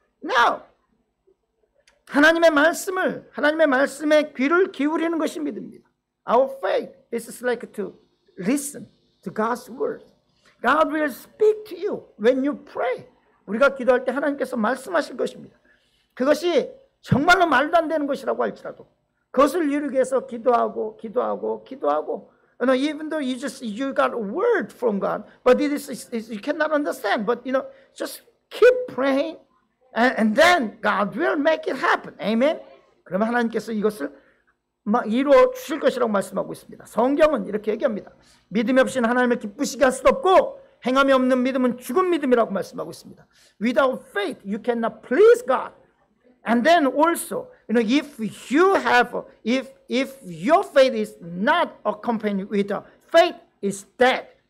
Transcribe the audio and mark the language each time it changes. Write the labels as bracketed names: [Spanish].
[Korean] Now, 하나님의 말씀을 하나님의 말씀에 귀를 기울이는 것이 믿음입니다. [English] Our faith is like to listen to God's word. God will speak to you when you pray. [Korean] 우리가 기도할 때 하나님께서 말씀하실 것입니다. 그것이 정말로 말도 안 되는 것이라고 할지라도 그것을 이루기 위해서 기도하고 [English] Even though you got a word from God, but it is you cannot understand. But you know, just keep praying, and then God will make it happen. Amen. [Korean] 그러면 하나님께서 이것을 이루어 주실 것이라고 말씀하고 있습니다. 성경은 이렇게 얘기합니다. 믿음이 없이는 하나님을 기쁘시게 할 수도 없고 행함이 없는 믿음은 죽은 믿음이라고 말씀하고 있습니다. [English] Without faith, you cannot please God. And then also, you know, if your faith is not accompanied with faith, it's dead.